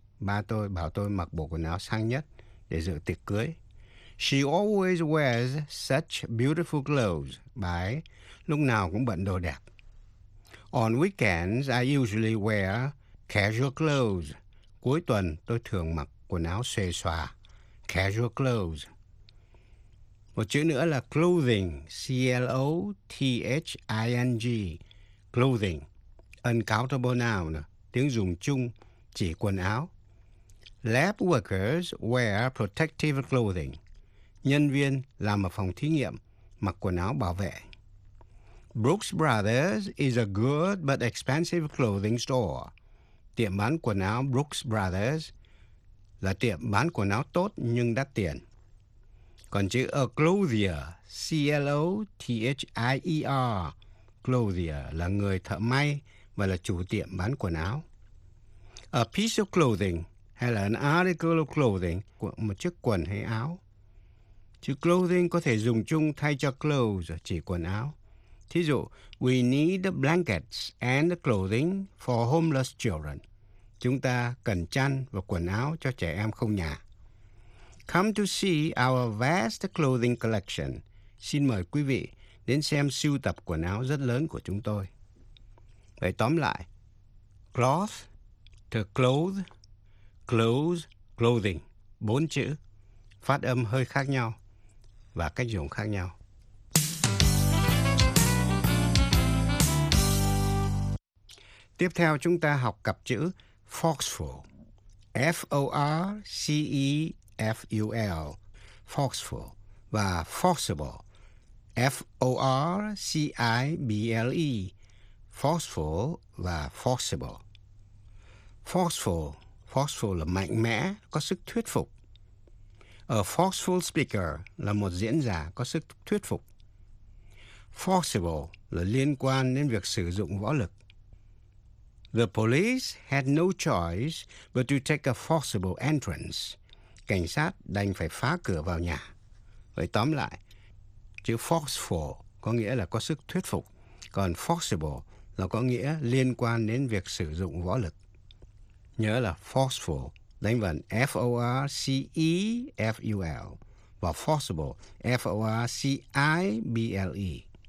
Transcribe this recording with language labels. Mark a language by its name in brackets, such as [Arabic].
[Vietnamese] Ba tôi bảo tôi mặc bộ quần áo sang nhất để dự tiệc cưới. [English] She always wears such beautiful clothes. [Vietnamese] Bà ấy lúc nào cũng bận đồ đẹp. [English] On weekends, I usually wear casual clothes. [Vietnamese] Cuối tuần, tôi thường mặc quần áo xuề xòa. [English] Casual clothes. [Vietnamese] Một chữ nữa là clothing. [English] C-L-O-T-H-I-N-G. Clothing. Uncountable noun. [Vietnamese] Tiếng dùng chung chỉ quần áo. [English] Lab workers wear protective clothing. [Vietnamese] Nhân viên làm ở phòng thí nghiệm mặc quần áo bảo vệ. [English] Brooks Brothers is a good but expensive clothing store. [Vietnamese] Tiệm bán quần áo Brooks Brothers là tiệm bán quần áo tốt nhưng đắt tiền. Còn chữ a clothier, C-L-O-T-H-I-E-R, clothier là người thợ may và là chủ tiệm bán quần áo. [English] A piece of clothing [Vietnamese] hay là [English] an article of clothing, [Vietnamese] một chiếc quần hay áo. Chữ clothing có thể dùng chung thay cho clothes, chỉ quần áo. Thí dụ, [English] we need blankets and clothing for homeless children. [Vietnamese] Chúng ta cần chăn và quần áo cho trẻ em không nhà. [English] Come to see our vast clothing collection. [Vietnamese] Xin mời quý vị đến xem sưu tập quần áo rất lớn của chúng tôi. Vậy tóm lại, cloth, to clothe, clothes, clothing, bốn chữ, phát âm hơi khác nhau và cách dùng khác nhau. Tiếp theo chúng ta học cặp chữ forceful. [English] F-O-R-C-E-F-U-L. Forceful. Và forcible. F-O-R-C-I-B-L-E. Forceful và forcible. Forceful. [Vietnamese] Forceful là mạnh mẽ, có sức thuyết phục. [English] A forceful speaker [Vietnamese] là một diễn giả có sức thuyết phục. Forcible là liên quan đến việc sử dụng võ lực. [English] The police had no choice but to take a forcible entrance. [Vietnamese] Cảnh sát đành phải phá cửa vào nhà. Vậy tóm lại, chữ forceful có nghĩa là có sức thuyết phục. Còn forcible là có nghĩa liên quan đến việc sử dụng võ lực. Nhớ là forceful. Đánh vần F-O-R-C-E-F-U-L và forcible F-O-R-C-I-B-L-E.